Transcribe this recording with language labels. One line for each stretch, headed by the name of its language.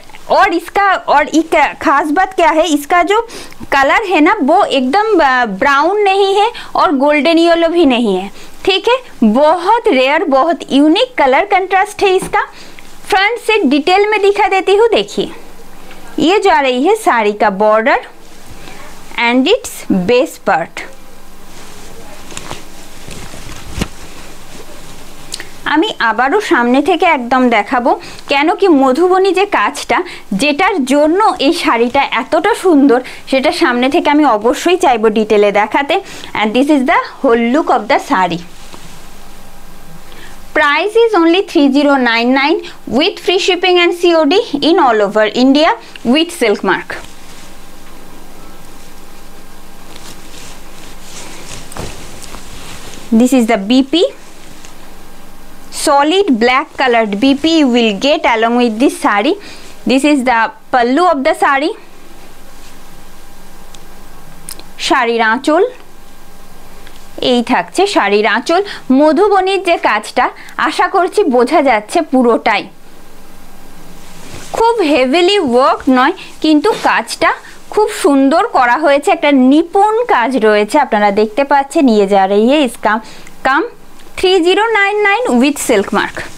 Hindi: और इसका और एक खास बात क्या है, इसका जो कलर है ना वो एकदम ब्राउन नहीं है और गोल्डन येलो भी नहीं है, ठीक है। बहुत रेयर, बहुत यूनिक कलर कंट्रास्ट है इसका। फ्रंट से डिटेल में दिखा देती हूँ। देखिए ये जा रही है साड़ी का border
English: And it's base part.
Bangla: আমি আবারও সামনে থেকে একদম দেখাবো, কেন কি মধুবনী যে কাজটা যেটার জন্য এই শাড়িটা এতটা সুন্দর সেটা সামনে থেকে আমি অবশ্যই চাইবো ডিটেলে দেখাতে।
English: And this is the whole look of the sari. Price is only 3099 with free shipping and COD in all over India with silk mark. This is the BP solid black colored BP you will get along with this sari. This is the pallu of the sari,
Bangla: sharir aanchol এই থাকছে শাড়ির আঁচল। মধুবনীর যে কাজটা আশা করছি বোঝা যাচ্ছে পুরোটাই, খুব হেভিলি ওয়ার্ক নয় কিন্তু কাজটা খুব সুন্দর করা হয়েছে, একটা নিপুণ কাজ রয়েছে আপনারা দেখতে পাচ্ছেন। নিয়ে যা রই এই scam come
English: 3099 with silk mark.